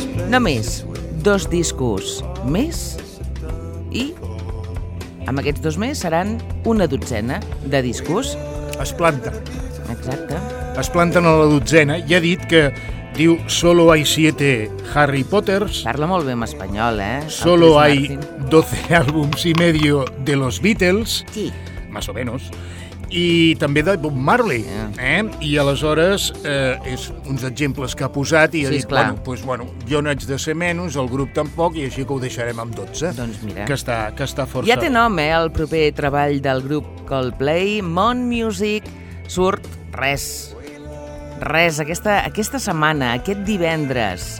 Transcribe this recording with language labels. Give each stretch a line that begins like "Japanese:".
Catalan: Només dos discos més i amb aquests dos més seran una dotzena de discos. Es planta. Exacte. Es planten a la dotzena i ha dit que diu
Spanish: solo hay 7 Harry Potters.
Catalan: Parla molt bé en espanyol, eh?
Spanish: Solo hay 12 álbums y medio de los Beatles.
Catalan: Sí.
Spanish: Más o menos.
Catalan: I també de Bob Marley, yeah. I aleshores és uns exemples que ha posat i sí, ha dit, bueno, jo no haig de ser menys, el grup tampoc, i així que ho deixarem amb 12. Doncs mira. Que està força... Ja té nom, el proper treball del grup Coldplay, Mon Music, surt res, aquesta setmana, aquest divendres.